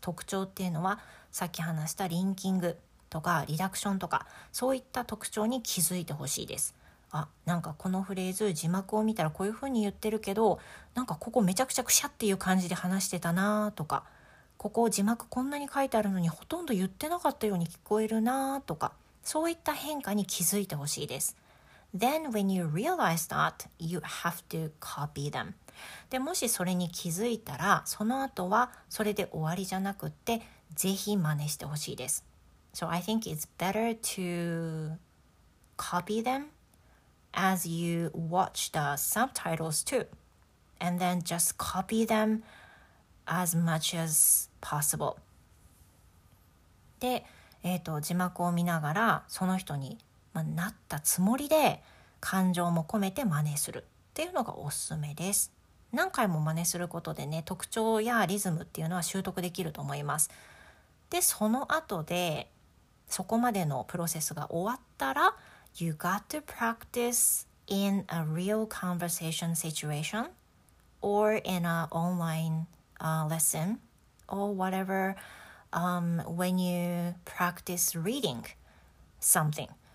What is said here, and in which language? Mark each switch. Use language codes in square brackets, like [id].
[ja] 特徴っていうのは、さっき話したリンキングとかリダクションとか、そういった特徴に気づいてほしいです。あ、なんかこのフレーズ、字幕を見たらこういうふうに言ってるけど、なんかここめちゃくちゃくしゃっていう感じで話してたなとか、ここ字幕こんなに書いてあるのにほとんど言ってなかったように聞こえるなとか、そういった変化に気づいてほしいです。 [en] Then when you realize that, you have to copy them. [ja] でもしそれに気づいたら、その後はそれで終わりじゃなくって、ぜひ真似してほしいです。 [en] So I think it's better to copy them as you watch the subtitles too, and then just copy themas much as possible. [ja] で、字幕を見ながらその人に、まあ、なったつもりで感情も込めて真似するっていうのがおすすめです。何回も真似することでね、特徴やリズムっていうのは習得できると思います。で、その後でそこまでのプロセスが終わったら、 [en] You got to practice in a real conversation situation or in a onlineLesson or whatever, when you practice reading something.